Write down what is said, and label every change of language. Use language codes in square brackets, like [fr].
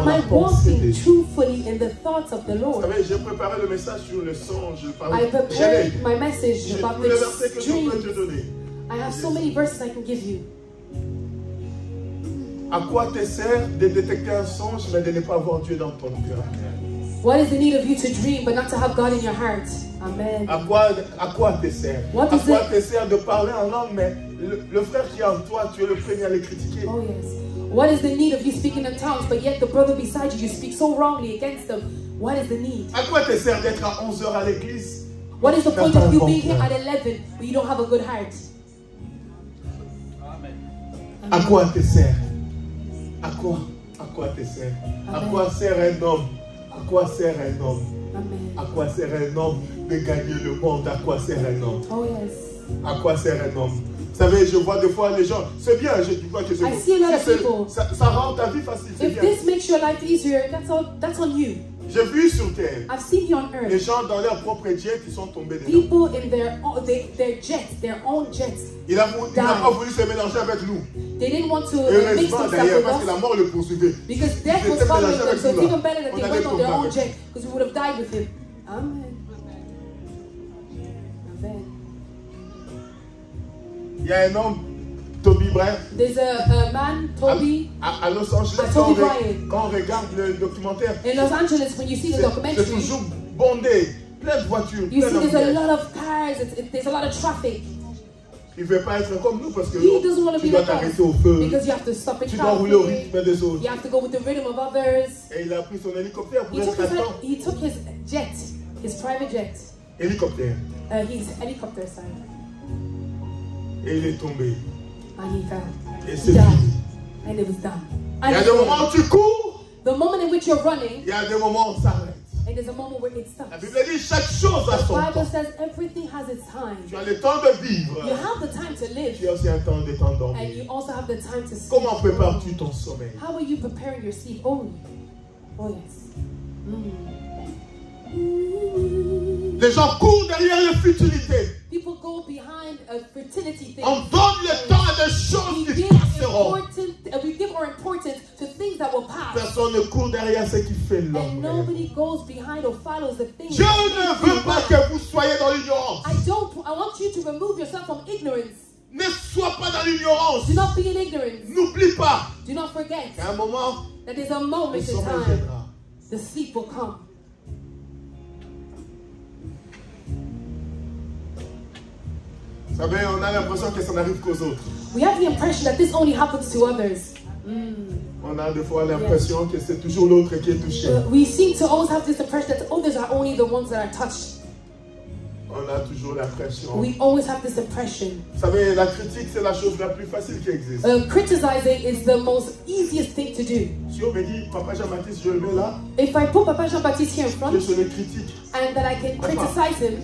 [en] am I walking truthfully in the thoughts of the Lord? [fr] Savez, j'ai préparé le message sur le songe, je parlais, [en] I prepared [fr] j'allais. [en] My message [fr] j'ai [en] about [fr] tous [en] this [fr] les versets que [en] dream. [fr] Je peux te donner. [en] I have yes. So many verses I can give you. [fr] À quoi te sert de détecter un songe mais de ne pas avoir Dieu dans ton cœur? [en] What is the need of you to dream but not to have God in your heart? Amen. [fr] À quoi te sert? [en] What [fr] à quoi [en] it? [fr] Te sert de parler en langue mais le frère qui est en toi, tu es le premier à le critiquer? [en] Oh yes. What is the need of you speaking in tongues, but yet the brother beside you, you speak so wrongly against them? What is the need? [fr] À quoi te sert d'être à 11h à l'église? [en] What is the point of you being here at 11, but you don't have a good heart? Amen. [fr] À quoi te sert? À quoi te sert? À quoi sert un homme? À quoi sert un homme? Amen. À quoi sert un homme de gagner le monde? À quoi sert un homme? [en] Oh yes. [fr] À quoi sert un homme? Vous savez, je vois des fois les gens, c'est bien, je dis pas que c'est [en] bon. I see a lot of people. [fr] Ça rend ta vie facile, c'est [en] if [fr] bien. [en] This makes your life easier, that's on you. [fr] J'ai vu sur terre. [en] I've seen you on earth. [fr] Les gens dans leur propre jet, ils sont tombés dedans. [en] People in their jets, their own jets. [fr] Il n'a pas voulu se mélanger avec nous. [en] They didn't want to mix themselves with us. [fr] Parce que la mort le poursuivait. [en] Because death was following them, so it's even better that they went on their own jet, because we would have died with him. Amen. [fr] Il y a un homme, Toby Bryant. [en] There's a man, Toby. [fr] À Los Angeles, Toby Bryant. Quand on regarde le documentaire. [en] In Los Angeles, when you see the documentary. [fr] C'est toujours bondé, plein de voitures. [en] You see, there's a lot of cars. There's a lot of traffic. [fr] Il veut pas être comme nous parce que. [en] He doesn't want to be like us. [fr] Tu dois t'arrêter au feu. [en] Because you have to stop in traffic. [fr] Tu dois rouler au rythme des autres. [en] You have to go with the rhythm of others. [fr] Et il a pris son hélicoptère pour être à temps. [en] He took his jet, his private jet. [fr] Hélicoptère. [en] His helicopter side. [fr] Et il est tombé. [en] And he fell. [fr] Et c'est fini. [en] And it was done. [fr] Il y a des moments où tu cours. [en] The moment in which you're running. [fr] Il y a des moments où ça s'arrête. [en] And there's a moment where it stops. [fr] La Bible dit chaque chose a son temps. [en] The Bible says everything has its time. [fr] Tu as le temps de vivre. [en] You have the time to live. [fr] Tu as aussi un temps de temps d'endormir. [en] And you also have the time to sleep. [fr] Comment prépares-tu ton sommeil? [en] How are you preparing your sleep? Oh yes. [fr] Les gens courent derrière les futilités. [en] People go behind a fertility thing. [fr] On donne le temps à des choses qui passeront. [en] We give our importance to things that will pass. [fr] personne ne court derrière ce qui fait l'homme. [en] And nobody goes behind or follows the thing. [fr] Je ne veux pas que vous soyez dans l'ignorance. [en] I want you to remove yourself from ignorance. [fr] Ne sois pas dans l'ignorance. [en] Do not be in ignorance. [fr] N'oublie pas. [en] Do not forget. [fr] Qu'à un moment, [en] that is a moment in time. The sleep will come. [fr] Vous savez, on a l'impression que ça n'arrive qu'aux autres. [en] We have the impression that this only happens to others. Mm. [fr] On a des fois l'impression que c'est toujours l'autre qui est touché. [en] We seem to always have this impression that others are only the ones that are touched. [fr] On a toujours l'impression. [en] We always have this impression. [fr] Vous savez, la critique, c'est la chose la plus facile qui existe. [en] Criticizing is the most easiest thing to do. [fr] Si on me dit, Papa Jean-Baptiste, je le mets là. [en] If I put Papa Jean-Baptiste here in front, [fr] je le critique. [en] And that I can criticize him.